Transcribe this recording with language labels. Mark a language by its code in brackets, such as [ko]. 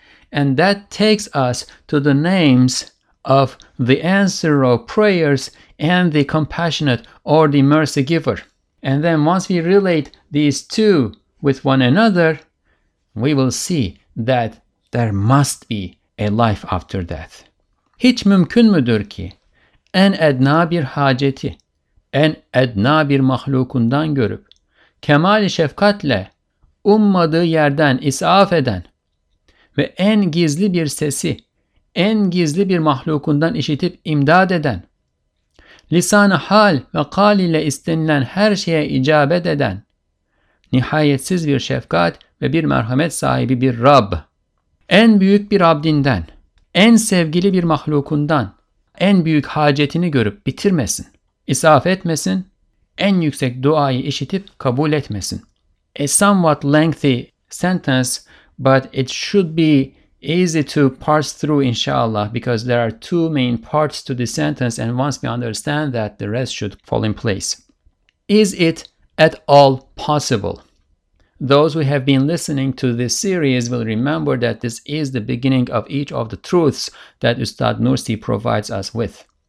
[en] And that takes us to the names of the answer of prayers and the compassionate or the mercy giver. And then once we relate these two with one another, we will see that there must be a life after death. [tr] Hiç mümkün müdür ki en edna bir haceti en edna bir mahlukundan görüp kemal-i şefkatle ummadığı yerden isaf eden ve en gizli bir sesi en gizli bir mahlukundan işitip imdad eden, lisan-ı hal ve kal ile istenilen her şeye icabet eden, nihayetsiz bir şefkat ve bir merhamet sahibi bir Rabb, en büyük bir abdinden, en sevgili bir mahlukundan, en büyük hacetini görüp bitirmesin, isaf etmesin, en yüksek duayı işitip kabul etmesin. [en] A somewhat lengthy sentence, but it should be easy to parse through, inshallah, because there are two main parts to the sentence, and once we understand that, the rest should fall in place. Is it at all possible? Those who have been listening to this series will remember that this is the beginning of each of the truths that Ustad Nursi provides us with.